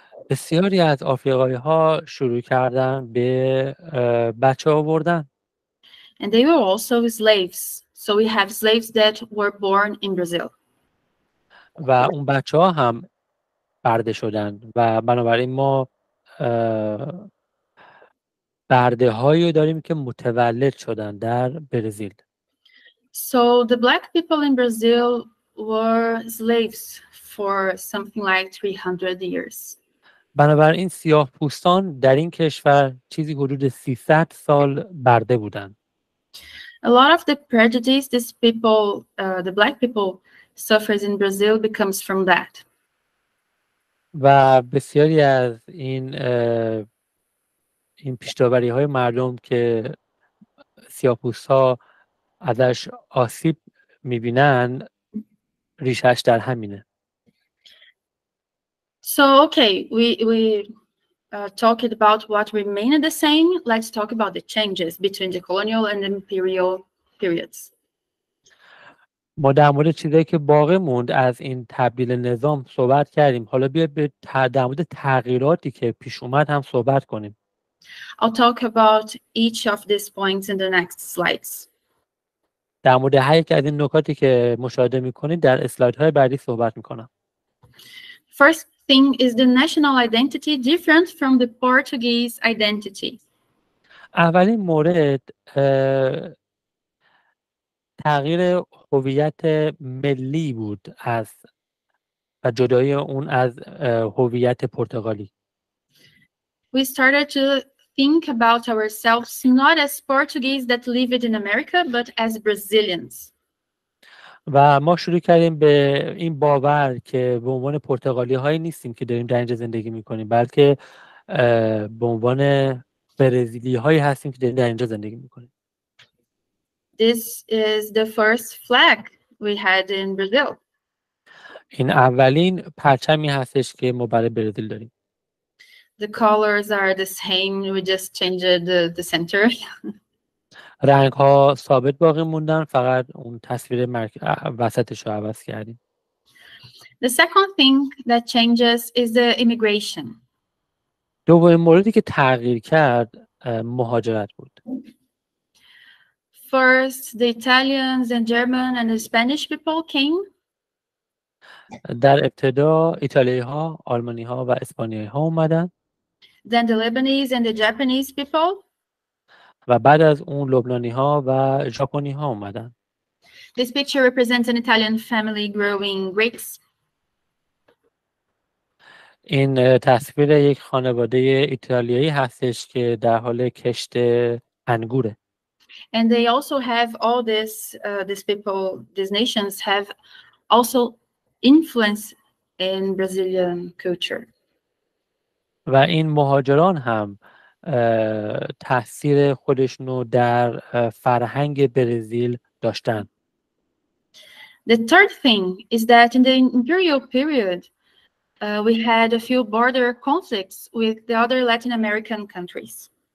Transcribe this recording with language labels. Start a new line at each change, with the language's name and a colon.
Persian: بسیاری از آفریقایی‌ها شروع کردن به بچه آوردن.
English: And they were also slaves. So we have slaves that were born in Brazil.
Persian: و اون بچه‌ها هم برده شدن و بنابراین ما برده‌هایی داریم که متولد شدن در برزیل.
English: So the black people in Brazil were slaves for something like 300 years.
Persian: بنابراین سیاه پوستان در این کشور چیزی حدود 300 سال برده بودند.
English: A lot of the prejudice these people, the black people suffers in Brazil becomes from that.
Persian: و بسیاری از این پیش‌داوری های مردم که سیاه پوست ها ازش آسیب می‌بینن ریشه‌اش در همینه.
English: So okay, we talked about what remained the same. Let's talk about the changes between the colonial and imperial periods.
Persian: ما در مورد چیزایی که باقی موند از این تبدیل نظام صحبت کردیم. حالا بیا به در مورد تغییراتی که پیش اومد هم صحبت کنیم.
English: I'll talk about each of these points in the next slides.
Persian: در مورد هر یک از این نکاتی که مشاهده می‌کنید در اسلایدهای بعدی صحبت می‌کنم.
English: First thing is the national identity different from the Portuguese identity.
Persian: اولین مورد تغییر هویت ملی بود از و جدایی اون از هویت پرتغالی.
English: We started to think about ourselves not as Portuguese that lived in America but as Brazilians.
Persian: و ما شروع کردیم به این باور که به عنوان پرتغالی هایی نیستیم که داریم در اینجا زندگی میکنیم بلکه به عنوان برزیلی هایی هستیم که داریم در اینجا زندگی میکنیم.
English: This is the first flag we had in Brazil.
Persian: این اولین پرچمی هستش که ما برای برزیل داریم.
English: The colors are the same. We just changed the center.
Persian: رنگ ها ثابت باقی موندن، فقط اون تصویر وسطش رو عوض کردیم.
English: The second thing that changes is the immigration.
Persian: دومین موردی که تغییر کرد مهاجرت بود.
English: First, the Italians and German and the Spanish people came.
Persian: در ابتدا ایتالیایی ها، آلمانی ها و اسپانیایی ها اومدن.
English: Then the Lebanese and the Japanese people.
Persian: و بعد از اون لبنانی ها و ژاپنی ها اومدن.
English: This picture represents an Italian family growing grapes.
Persian: این تصویر یک خانواده ایتالیایی هستش که در حال کشت انگوره.
English: And they also have all this, these people, these nations have also influence in Brazilian culture.
Persian: و این مهاجران هم تأثیر خودشونو در فرهنگ برزیل داشتن.
English: The third thing is that in the imperial period, we had a few border conflicts with the other Latin American countries.